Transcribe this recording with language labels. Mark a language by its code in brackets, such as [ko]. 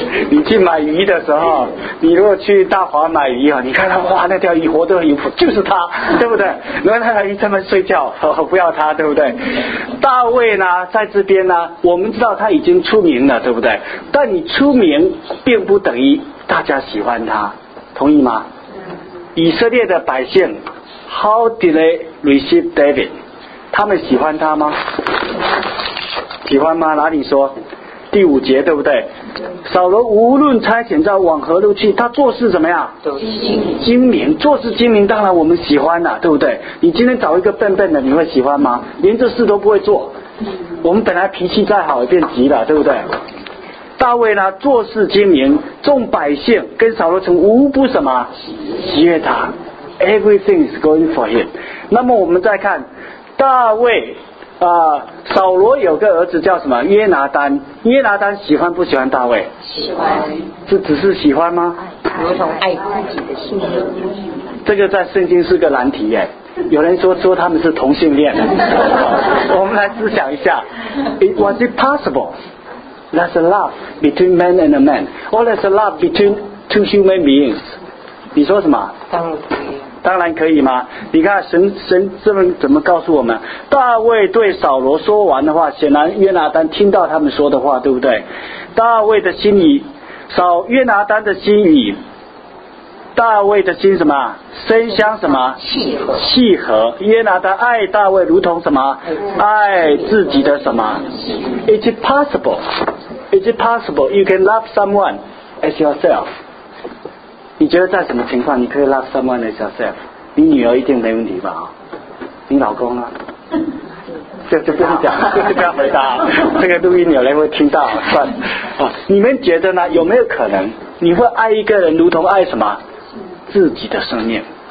[zh] 你去买鱼的时候，你如果去大华买鱼啊，你看他哇，那条鱼活得很有福，就是他，对不对？然后那条鱼在那睡觉，我不要他，对不对？大卫呢，在这边呢，我们知道他已经出名了，对不对？但你出名并不等于大家喜欢他，同意吗？以色列的百姓 ， [en] How did they receive David？ [zh] 他们喜欢他吗？喜欢吗？哪里说？第五节对不对？扫罗无论差遣在往何路去，他做事怎么样？精明，做事精明，当然我们喜欢了，对不对？你今天找一个笨笨的，你会喜欢吗？连这事都不会做，我们本来脾气再好也变急了，对不对？大卫呢，做事精明，众百姓跟扫罗城无不什么喜悦他 ， [en] Everything is going for him。 [zh] 那么我们再看。大卫啊，扫罗有个儿子叫什么？约拿丹。约拿丹喜欢不喜欢大卫？喜欢。这只是喜欢吗？如同爱自己的性命。这个在圣经是个难题耶。有人说他们是同性恋。我们来思想一下 [en] ，It was it possible? There's a love between man and a man, or there's a love between two human beings? [zh] 你说什么？当然可以吗？你看神这么怎么告诉我们？大卫对扫罗说完的话，显然约拿丹听到他们说的话，对不对？大卫的心里，约拿丹的心里，大卫的心什么？深相什么？契合。契合。约拿丹爱大卫如同什么？爱自己的什么 [en] ？Is it possible? Is it possible you can love someone as yourself? [zh] 你觉得在什么情况你可以 [en] love someone as yourself？ [zh] 你女儿一定没问题吧？你老公呢？就不用讲，就不要回答，这个录音有人会听到，算了、哦。你们觉得呢？有没有可能你会爱一个人如同爱什么？自己的生命。